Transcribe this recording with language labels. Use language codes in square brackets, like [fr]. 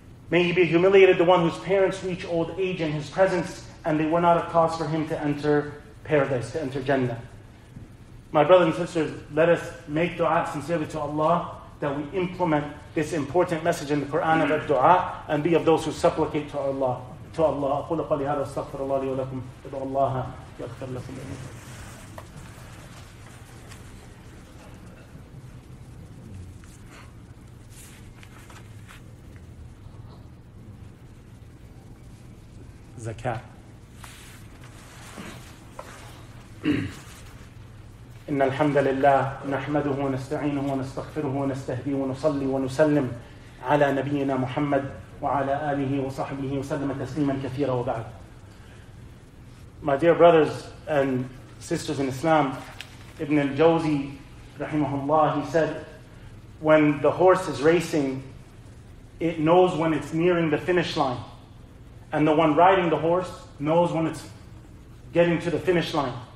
[en] May he be humiliated, the one whose parents reach old age in his presence, and they were not a cause for him to enter paradise, to enter Jannah. My brothers and sisters, let us make dua sincerely to Allah that we implement this important message in the Quran of dua and be of those who supplicate to Allah. To Allah. [ar] أقول قولي هذا استغفر الله لي ولكم ادعو الله يغفر لكم جميعا. [en] Zakat. [ar] إن الحمد لله نحمده ونستعينه ونستغفره ونستهديه ونصلي ونسلم على نبينا محمد وعلى آله وصحبه وسلم تسليما كثيرا وبعد. [en] My dear brothers and sisters in Islam, Ibn al-Jawzi رحمه الله, he said, when the horse is racing, it knows when it's nearing the finish line. And the one riding the horse knows when it's getting to the finish line.